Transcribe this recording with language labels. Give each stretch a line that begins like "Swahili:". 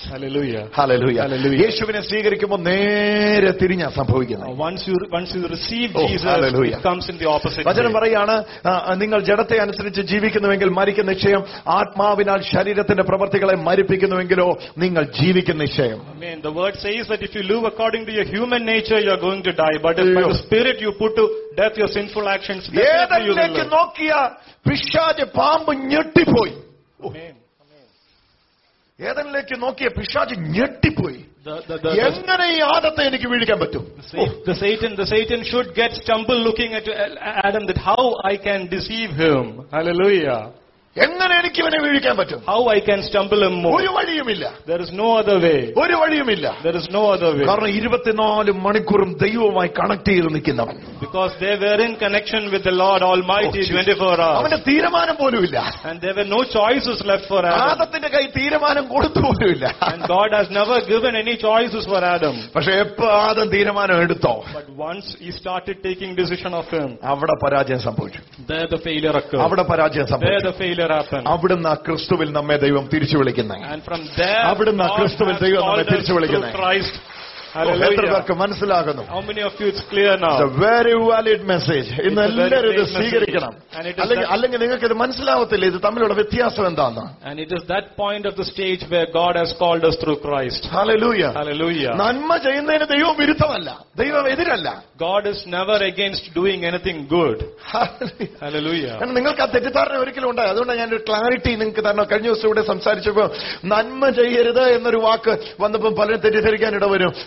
Malayalam: Hallelujah. യേശുവിനെ സ്വീകരിക്കുമ്പോൾ നേരെ തിരിഞ്ഞാ സംഭവിക്കുന്നത്.
English: Once you receive Jesus, hallelujah, comes in the opposite.
Malayalam: വചനം പറയുകയാണ്, നിങ്ങൾ ജഡത്തെ അനുസരിച്ച് ജീവിക്കുന്നുവെങ്കിൽ മരിക്കുന്ന നിശ്ചയം, ആത്മാവിനാൽ ശരീരത്തിന്റെ പ്രവൃത്തികളെ മരിപ്പിക്കുന്നുവെങ്കിലോ നിങ്ങൾ ജീവിക്കുന്ന നിശ്ചയം.
English: I mean, the word says that if you live according to your human nature, you are going to die. But if by the Spirit you put to death your sinful actions, definitely you will live.
Malayalam: ഏതൊക്കെ നോക്കിയാ പിശാച് പാമ്പ് ഞെട്ടിപ്പോയി. ഏതെങ്കിലേക്ക് നോക്കിയ പിശാച് ഞെട്ടിപ്പോയി. എങ്ങനെ ഈ ആദത്തെ എനിക്ക് വീഴിക്കാൻ പറ്റും?
English: The Satan should get stumbled looking at Adam, that how I can deceive him. Hallelujah.
Malayalam: എങ്ങനെ എനിക്ക് ഇവനെ വീഴിക്കാൻ പറ്റും?
English: How I can stumble him more.
Malayalam: ഒരു വഴിയുമില്ല.
English: There is no other way.
Malayalam: ഒരു വഴിയുമില്ല.
English: There is no other way.
Malayalam: കാരണം 24 മണിക്കൂറും ദൈവവുമായി കണക്ട് ചെയ്തു നിൽക്കുന്നവൻ.
English: Because they were in connection with the Lord Almighty 24 hours.
Malayalam: അവന്റെ തീരുമാനം പോലുമില്ല.
English: And there were no choices left for Adam.
Malayalam: ആദത്തിന്റെ കൈ തീരുമാനം കൊടുത്തു പോലുമില്ല.
English: And God has never given any choices for Adam.
Malayalam: പക്ഷേ എപ്പോ ആദം തീരുമാനം എടുത്തോ,
English: But once he started taking decision of him,
Malayalam: അവിടെ പരാജയം സംഭവിച്ചു.
English: There the failure occurred.
Malayalam: അവിടെ പരാജയം സംഭവിച്ചു. അവിടുന്ന് ക്രിസ്തുവിൽ നമ്മെ ദൈവം തിരിച്ചു വിളിക്കുന്ന, അവിടുന്ന് ക്രിസ്തുവിൽ ദൈവം നമ്മെ തിരിച്ചു വിളിക്കുന്ന. എത്ര പേർക്ക് മനസ്സിലാകുന്നു?
English: How many of you, it's clear now. It's a very valid message.
Malayalam: ഇന്ന് എല്ലാവരും ഇത് സ്വീകരിക്കണം. അല്ലെങ്കിൽ നിങ്ങൾക്ക് ഇത് മനസ്സിലാവത്തില്ല. ഇത് തമ്മിലുള്ള വ്യത്യാസം എന്താണ്?
English: And it is that point of the stage where God has called us through Christ. Hallelujah. Hallelujah.
Malayalam: നന്മ ചെയ്യുന്നതിന് ദൈവം വിരുദ്ധമല്ല, ദൈവം എതിരല്ല.
English: God is never against doing anything good. Hallelujah.
Malayalam: നിങ്ങൾക്ക് ആ തെറ്റിദ്ധാരണ ഒരിക്കലും ഉണ്ടായി. അതുകൊണ്ട് ഞാൻ ഒരു ക്ലാരിറ്റി നിങ്ങൾക്ക് തരണം. കഴിഞ്ഞ ദിവസം ഇവിടെ സംസാരിച്ചപ്പോൾ നന്മ ചെയ്യരുത് എന്നൊരു വാക്ക് വന്നപ്പോൾ പലരും തെറ്റിദ്ധരിക്കാനിട വരും.